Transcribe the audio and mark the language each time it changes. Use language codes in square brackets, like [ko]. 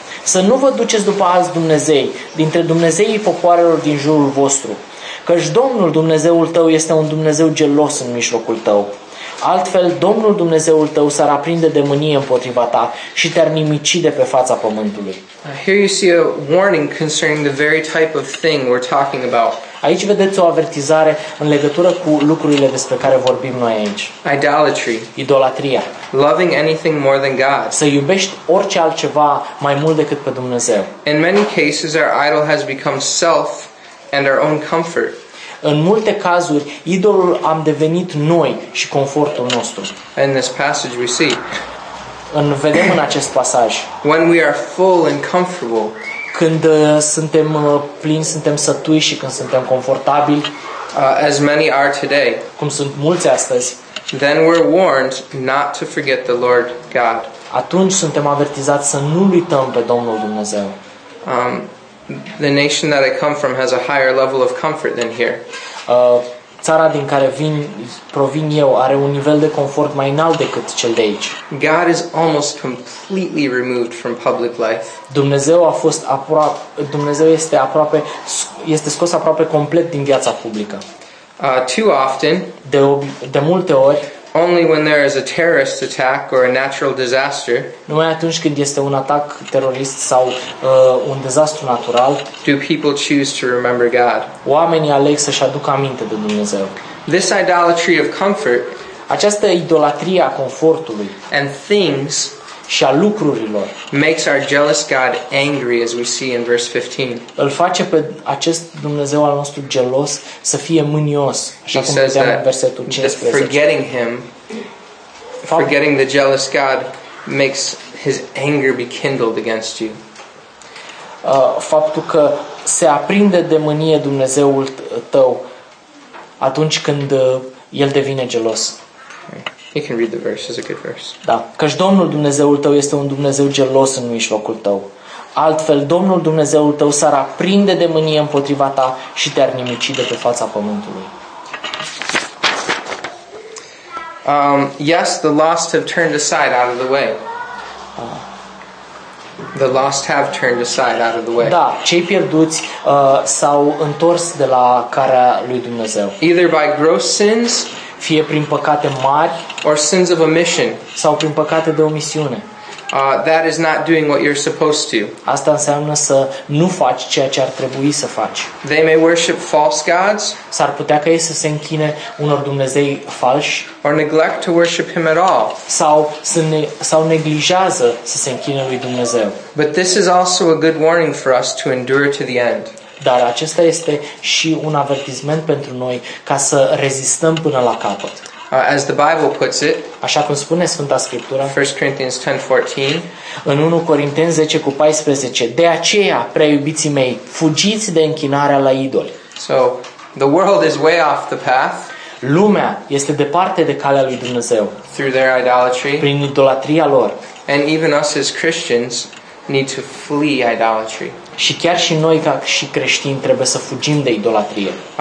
[ro] Să nu vă duceți după alți Dumnezei, dintre Dumnezeii popoarelor din jurul vostru. Căci Domnul Dumnezeul tău este un Dumnezeu gelos în mijlocul tău. Altfel, Domnul Dumnezeul tău s-ar aprinde de mânie împotriva ta și te-ar nimici de pe fața pământului. [en] Here you see a warning concerning the very type of thing we're talking about. [ro] Aici vedeți o avertizare în legătură cu lucrurile despre care vorbim noi aici. [en] Idolatry. [ro] Idolatria. [en] Loving anything more than God. [ro] Să iubești orice altceva mai mult decât pe Dumnezeu. [en] In many cases our idol has become self and our own comfort. [ro] În multe cazuri idolul am devenit noi și confortul nostru. [en] In this passage we see. [ro] În vedem în acest pasaj. [en] When we are full and comfortable. [ro] Când suntem plini, suntem sătui și când suntem confortabili, [en] as many are today, [ro] cum sunt mulți astăzi, [en] then we're warned not to forget the Lord God. [ro] Atunci suntem avertizați să nu uităm pe Domnul Dumnezeu. [en] The nation that I come from has a higher level of comfort than here. [ro] Țara din care vin, provin eu, are un nivel de confort mai înalt decât cel de aici. [en] God is almost completely removed from public life. [ro] Dumnezeu a fost aproape, Dumnezeu este aproape, este scos aproape complet din viața publică. [en] Too often, [ro] de multe ori, [en] only when there is a terrorist attack or a natural disaster, [ro] numai atunci când este un atac terorist sau un dezastru natural, [en] do people choose to remember God. [ro] Oamenii aleg să-și aducă aminte de Dumnezeu. [en] This idolatry of comfort, [ro] această idolatrie a confortului, [en] and things, [ro] și a lucrurilor, [en] makes our jealous God angry, as we see in verse 15. [ro] Îl face pe acest Dumnezeu al nostru gelos să fie mânios, așa cum vedem în versetul 15. [en] Forgetting him, forgetting the jealous God, makes his anger be kindled against you. [ro] Faptul că se aprinde de mânie Dumnezeul tău atunci când el devine gelos. [en] You can read the verse. It's a good verse. [ro] Da, căci Domnul Dumnezeul tău este un Dumnezeu gelos în mijlocul tău. Altfel, Domnul Dumnezeul tău s-ar aprinde de mânie împotriva ta și te-ar nimici de pe fața pământului. [en] Yes, the lost have turned aside out of the way. The lost have turned aside out of the way. [ro] Da, cei pierduți s-au întors de la calea lui Dumnezeu. [en] Either by gross sins, [ro] fie prin păcate mari, [en] or sins of omission, [ro] sau prin păcate de omisiune. [en] That is not doing what you're supposed to. [ro] Asta înseamnă să nu faci ceea ce ar trebui să faci. [en] They may worship false gods. [ro] S-ar putea ca ei să se închine unor dumnezei falși. [en] Or neglect to worship him at all. [ro] Sau neglijează să se închine lui Dumnezeu. [en] But this is also a good warning for us to endure to the end. [ro] Dar acesta este și un avertisment pentru noi ca să rezistăm până la capăt. [en] As the Bible puts it, [ro] așa cum spune Sfânta Scriptură, [en] 1 Corinthians 10:14, [ro] în 1 Corinteni 10:14, de aceea, prea iubiții mei, fugiți de închinarea la idoli. [en] So, the world is way off the path. [ro] Lumea este departe de calea lui Dumnezeu. [en] Through their idolatry. [ro] Prin idolatria lor. [en] And even us as Christians need to flee idolatry. [ro] Și chiar și noi ca și creștini trebuie să fugim de idolatrie.